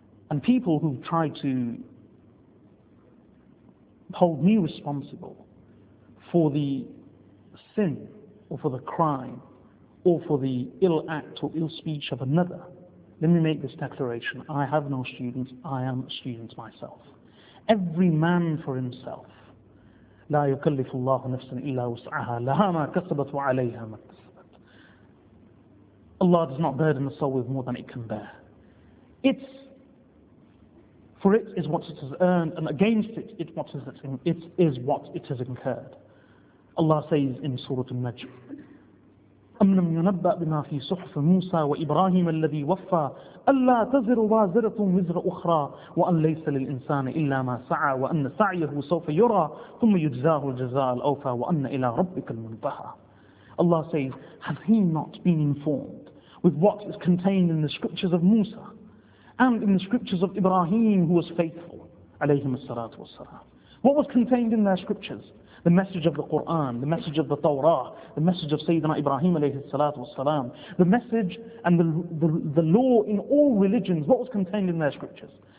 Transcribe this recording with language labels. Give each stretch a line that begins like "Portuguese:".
English: And people who try to hold me responsible for the sin or for the crime or for the ill act or ill speech of another, let me make this declaration. I have no students, I am a student myself. Every man for himself.
Arabic: لا يكلف الله نفسا إلا وسعها لها ما كسبت وعليها ما كسبت.
English: Allah does not burden the soul with more than it can bear. For it is what it has earned, and against it, it is what it has incurred. Allah says in Surah Al-Najm,
Arabic: أَمْ لَمْ يُنَبَّأْ بِمَا فِي صُحْفِ مُوسَى وَإِبْرَاهِيمَ الَّذِي وَفَّى أَلَّا تَزِرُ وَازِرَةٌ وِزْرَ أُخْرَى وَأَنْ لَيْسَ لِلْإِنسَانِ إِلَّا مَا سَعَى وَأَنَّ سَعْيَهُ سَوْفَ يُرَى ثُمَّ يُجْزَاهُ الْجَزَاءَ الْأَوْفَى وَأَنَّ إِلَى رَبِّكَ الْمُنْتَهَى.
English: Allah says, has he not been informed with what is contained in the scriptures of Musa? and in the scriptures of Ibrahim, who was faithful, alayhim as-salatu was-salam. What was contained in their scriptures? The message of the Qur'an, the message of the Torah, the message of Sayyidina Ibrahim alayhi salatu wasalam, the message and the law in all religions, what was contained in their scriptures?